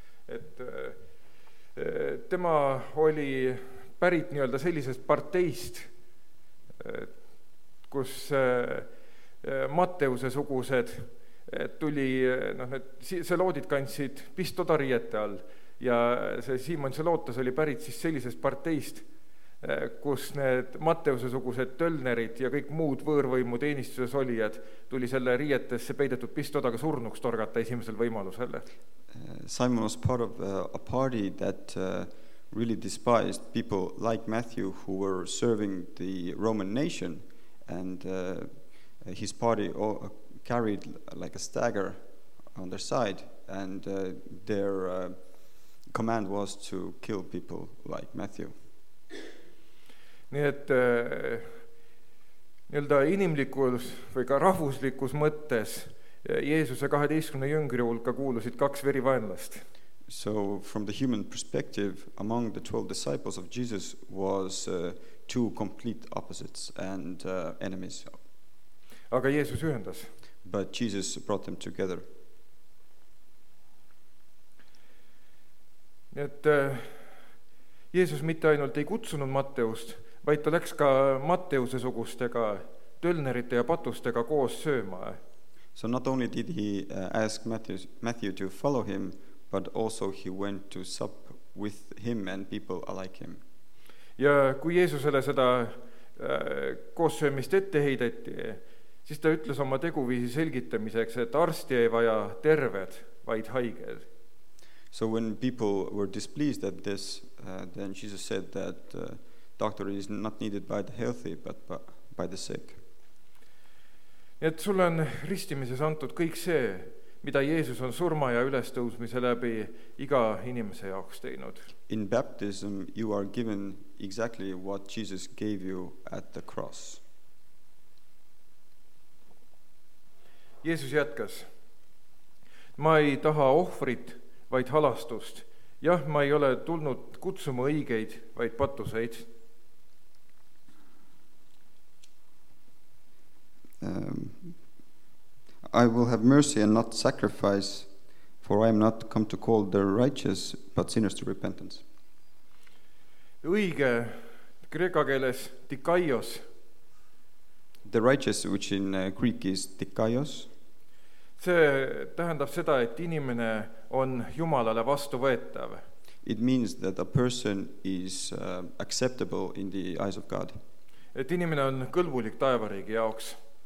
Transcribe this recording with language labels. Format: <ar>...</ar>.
<et>Et tema oli pärit nii-öelda sellisest parteist, kus Matteuse sugused tuli, noh, need Zelotid kandsid pistoda riiete all ja see Simon Zelotes oli pärit siis sellisest parteist, kus need Matteuse sugused tölnerid ja kõik muud võõrvõimu teenistuses olijad tuli selle riietesse peidetud pistodaga surnuks torgata esimesel võimalusel.</et> <en>Simon was part of a party that really despised people like Matthew who were serving the Roman nation, and his party carried like a stagger on their side, and their command was to kill people like Matthew.</en> <et>Nii et nii-öelda inimlikus või ka rahvuslikus mõttes Jeesuse 12 jüngri hulka kuulusid kaks verivaenlast.</et> <en>So from the human perspective, among the 12 disciples of Jesus was two complete opposites and enemies.</en> <et>Aga Jeesus ühendas.</et> <en>But Jesus brought them together.</en> <et>Et Jeesus mitte ainult ei kutsunud Matteust, vaid ta läks ka Matteuse sugustega, tölnerite ja patustega koos sööma.</et> <en>So not only did he ask Matthew to follow him, but also he went to sup with him and people like him.</en> <et>Ja kui Jeesusele seda koossöömist ette heideti, siis ta ütles oma teguviisi selgitamiseks, et arsti ei vaja terved, vaid haiged.</et> <en>So when people were displeased at this, then Jesus said that doctor is not needed by the healthy, but by the sick.</en> <et>Et sul on ristimises antud kõik see, mida Jeesus on surma ja ülestõusmise läbi iga inimese jaoks teinud.</et> <en>In baptism you are given exactly what Jesus gave you at the cross.</en> <et>Jeesus jätkas. Ma ei taha ohvrit, vaid halastust. Ja ma ei ole tulnud kutsuma õigeid, vaid patuseid.</et> <en>I will have mercy and not sacrifice, for I am not come to call the righteous, but sinners to repentance.</en> <et>Õige, kreeka keeles, dikaios.</et> <en>The righteous, which in Greek is dikaios.</en> <et>See tähendab seda, et inimene on Jumalale vastu võetav.</et> <en>It means that a person is acceptable in the eyes of God.</en> <et>Et inimene on kõlbulik taevariigi jaoks.</et>